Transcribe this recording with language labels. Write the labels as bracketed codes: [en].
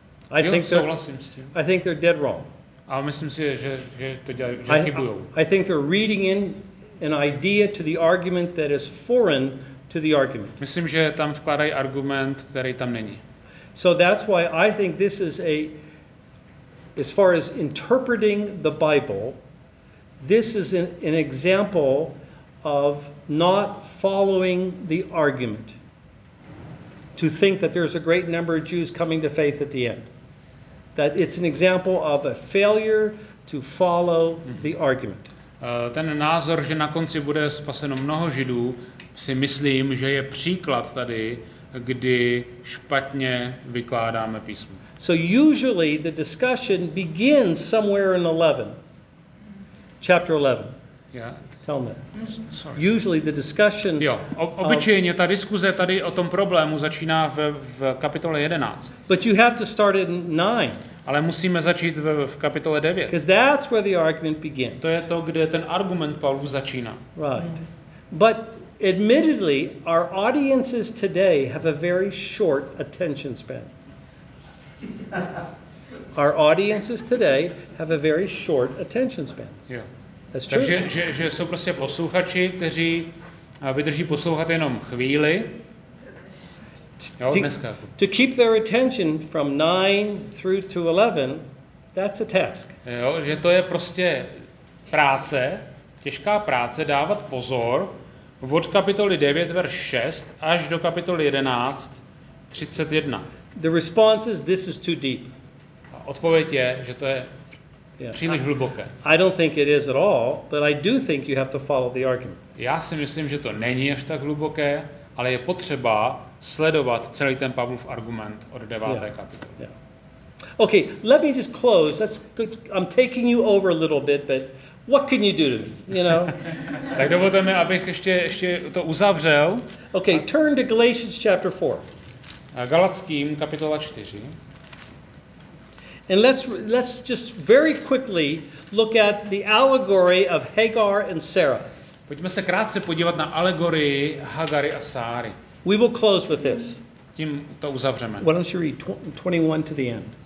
[en] I think they're dead wrong. [cs] Ale myslím si, že chybujou. [en] I think they're reading in an idea to the argument that is foreign to the argument. [cs] Myslím, že tam vkládají argument, který tam není. [en] So that's why I think this is a, as far as interpreting the Bible, this is an example of not following the argument, to think that there's a great number of Jews coming to faith at the end. That it's an example of a failure to follow the argument. [cs] Ten názor, že na konci bude spaseno mnoho Židů, si myslím, že je příklad tady, kdy špatně vykládáme písmo. [en] So usually the discussion begins somewhere in 11. Chapter 11. Yeah. Tell me. Sorry. Usually the discussion. [cs] Jo, obyčejně ta diskuze tady o tom problému začíná v kapitole 11. [en] But you have to start in 9. [cs] Ale musíme začít v kapitole 9. [en] Because that's where the argument begins. [cs] To je to, kde ten argument Pavlu začíná. [en] Right. But admittedly, our audiences today have a very short attention span. Our audiences today have a very short attention span. Yeah. That's true. [cs] Takže že jsou prostě posluchači, kteří vydrží poslouchat jenom chvíli. Jo, dneska. [en] To keep their attention from 9 through to 11, that's a task. [cs] Jo, že to je prostě práce, těžká práce dávat pozor od kapitoly 9, verš 6, až do kapitoly 11, 31. [en] The response is, this is too deep. [cs] Odpověď je, že to je příliš hluboké. [en] I don't think it is at all, but I do think you have to follow the argument. [cs] Já si myslím, že to není až tak hluboké, ale je potřeba sledovat celý ten Pavlův argument od 9. kapitoly. [en] Yeah. Okay, let me just close. That's good. I'm taking you over a little bit, but what can you do, you know? [cs] Tak dovolte mi, abych ještě to uzavřel. [en] Okay, turn to Galatians chapter 4. [cs] Galatským kapitola 4. [en] And let's just very quickly look at the allegory of Hagar and Sarah. [cs] Pojďme se krátce podívat na alegorii Hagary a Sáry. [en] We will close with this. [cs] Tím to uzavřeme. [en] Why don't you read 21 to the end?